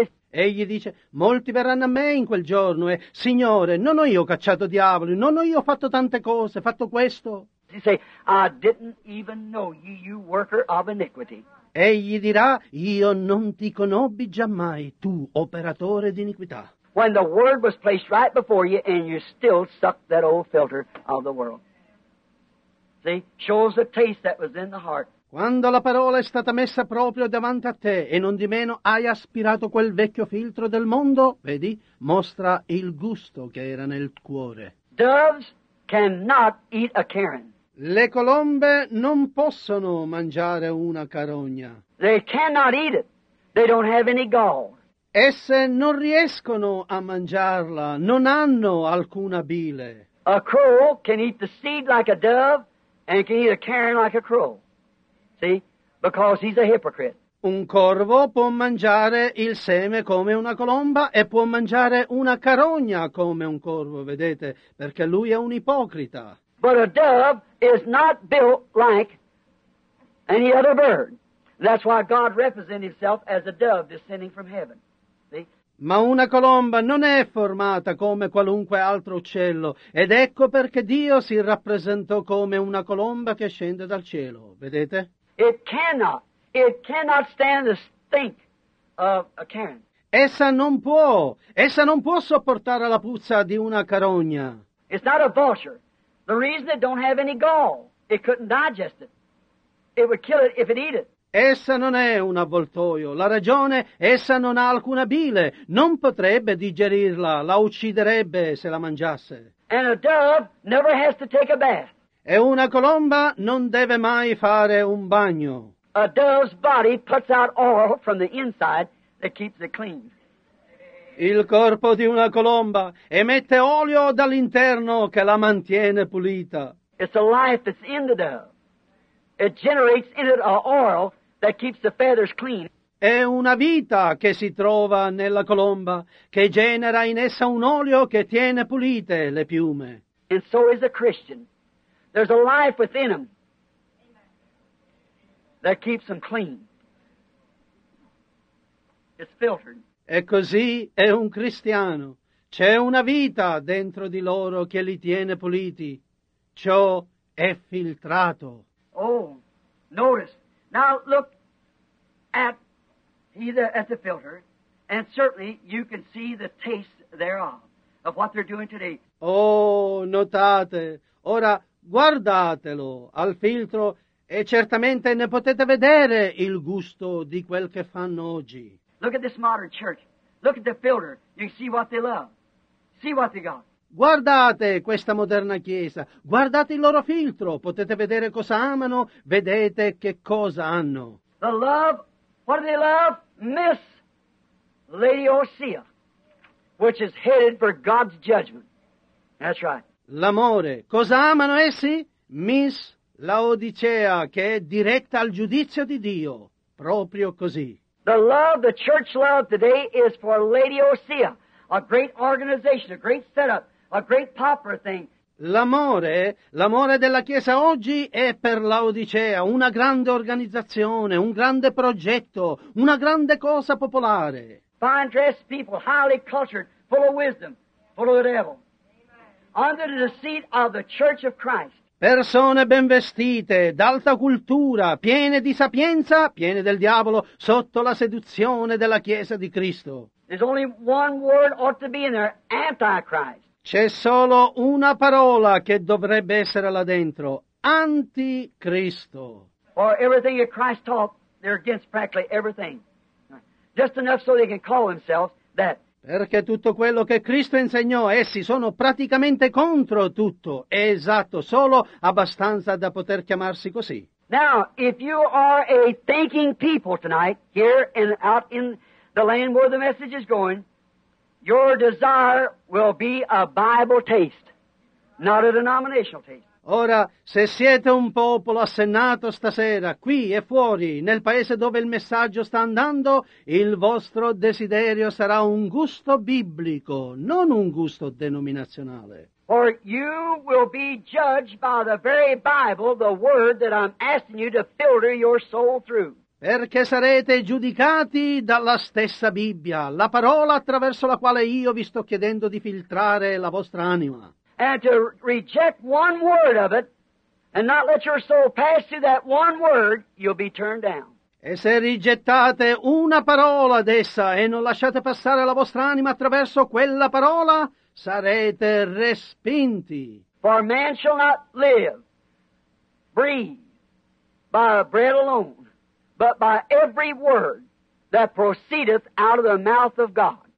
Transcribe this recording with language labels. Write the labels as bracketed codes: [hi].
[it] Egli dice, molti verranno a me in quel giorno e, Signore, non ho io cacciato diavoli, non ho io fatto tante cose, fatto questo. [en] He say, I didn't even know you, you worker of iniquity. [it] Egli dirà, io non ti conobbi giammai, tu operatore di iniquità. [en] When the word was placed right before you and you still sucked that old filter of the world. See, shows the taste that was in the heart. [it] Quando la parola è stata messa proprio davanti a te e non di meno hai aspirato quel vecchio filtro del mondo, vedi, mostra il gusto che era nel cuore. [en] Doves cannot eat a Karen. [it] Le colombe non possono mangiare una carogna. [en] They cannot eat it. They don't have any gall. [it] Esse non riescono a mangiarla, non hanno alcuna bile. [en] A crow can eat the seed like a dove and can eat a carrion like a crow. See? Because he's a hypocrite. [it] Un corvo può mangiare il seme come una colomba e può mangiare una carogna come un corvo, vedete, perché lui è un ipocrita. [en] But a dove is not built like any other bird. That's why God represents himself as a dove descending from heaven. [it] Ma una colomba non è formata come qualunque altro uccello, ed ecco perché Dio si rappresentò come una colomba che scende dal cielo, vedete? [en] It cannot stand the stink of a carrion. [it] Essa non può sopportare la puzza di una carogna. [en] It's not a vulture. The reason it don't have any gall, it couldn't digest it. It would kill it if it eat it. [it] Essa non è un avvoltoio. La ragione, essa non ha alcuna bile. Non potrebbe digerirla. La ucciderebbe se la mangiasse. [en] And a dove never has to take a bath. [it] E una colomba non deve mai fare un bagno. [en] A dove's body puts out oil from the inside that keeps it clean. [it] Il corpo di una colomba emette olio dall'interno che la mantiene pulita. [en] It's the life that's in the dove. It generates in it an oil that keeps the feathers clean. [it] È una vita che si trova nella colomba, che genera in essa un olio che tiene pulite le piume. [en] And so is a Christian. There's a life within him that keeps him clean. It's filtered. [it] E così è un cristiano. C'è una vita dentro di loro che li tiene puliti. Ciò è filtrato. [en] Oh, notice. Now look at either at the filter, and certainly you can see the taste thereof, of what they're doing today. [it] Oh, notate. Ora guardatelo al filtro, e certamente ne potete vedere il gusto di quel che fanno oggi. [en] Look at this modern church. Look at the filter. You can see what they love. See what they got. [it] Guardate questa moderna chiesa, guardate il loro filtro, potete vedere cosa amano, vedete che cosa hanno. [en] The love, what do they love? Miss Lady Osea, which is headed for God's judgment. That's right. [it] L'amore, cosa amano essi? Miss Laodicea, che è diretta al giudizio di Dio, proprio così. [en] The love, the church love today is for Lady Osea, a great organization, a great setup. A great pauper thing. [it] L'amore della Chiesa oggi è per Laodicea, una grande organizzazione, un grande progetto, una grande cosa popolare. [en] Fine dressed people, highly cultured, full of wisdom, full of the devil. Under the deceit of the Church of Christ. [it] Persone ben vestite, d'alta cultura, piene di sapienza, piene del diavolo, sotto la seduzione della Chiesa di Cristo. [en] There's only one word ought to be in there, Antichrist. [it] C'è solo una parola che dovrebbe essere là dentro, anticristo. [en] For everything that Christ taught, they're against practically everything. Just enough so they can call themselves that. [it] Perché tutto quello che Cristo insegnò, essi sono praticamente contro tutto. È esatto, solo abbastanza da poter chiamarsi così. [en] Now, if you are a thinking people tonight, here and out in the land where the message is going, your desire will be a Bible taste, not a denominational taste. [it] Ora, se siete un popolo assennato stasera, qui e fuori, nel paese dove il messaggio sta andando, il vostro desiderio sarà un gusto biblico, non un gusto denominazionale. [en] For you will be judged by the very Bible, the word that I'm asking you to filter your soul through. [it] Perché sarete giudicati dalla stessa Bibbia, la parola attraverso la quale io vi sto chiedendo di filtrare la vostra anima. [en] And to reject one word of it and not let your soul pass through that one word, you'll be turned down. [it] E se rigettate una parola d'essa e non lasciate passare la vostra anima attraverso quella parola, sarete respinti. [en] For man shall not live, breathe, by bread alone. But by every word that proceedeth out of the mouth of God.